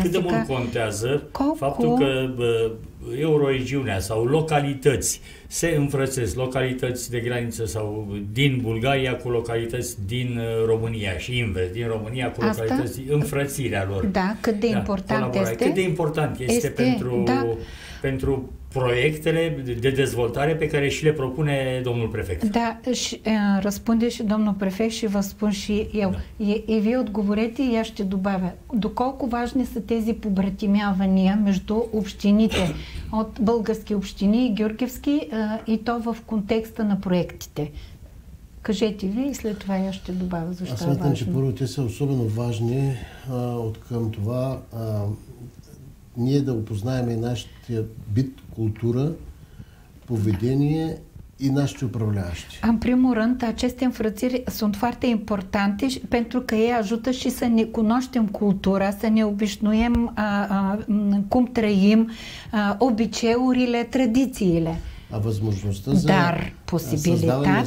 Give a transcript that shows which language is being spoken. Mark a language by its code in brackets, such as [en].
[ro] cât de mult contează faptul că euroregiunea sau localități se înfrățesc, localități de graniță sau din Bulgaria cu localități din România și invers, din România cu localități, înfrățirea lor. Da, cât de important este. Cât de important este pentru pentru proiectele de dezvoltare pe care și le propune domnul prefect. Da, și răspunde și domnul prefect și vă spun și eu. Da. [bg] И ви отговорете, я ще добавя. Доколко важни са тези побратимявания между общините от български общини и Гюргевски и то в контекста на проектите? Кажете ви и след това я ще добавя защо е важно. Аз мятам, че първо те са особено важни от към това ние да опознаем и нашия бит, култура, поведение и нашите управляващи. [ro] În primul rând, aceste înfrățiri sunt foarte importante pentru că ei ajută și să ne cunoaștem cultura, să ne obișnuiem cum trăim, obiceiurile, tradițiile. [bg] А възможността за Дар, [ro] посибилитатя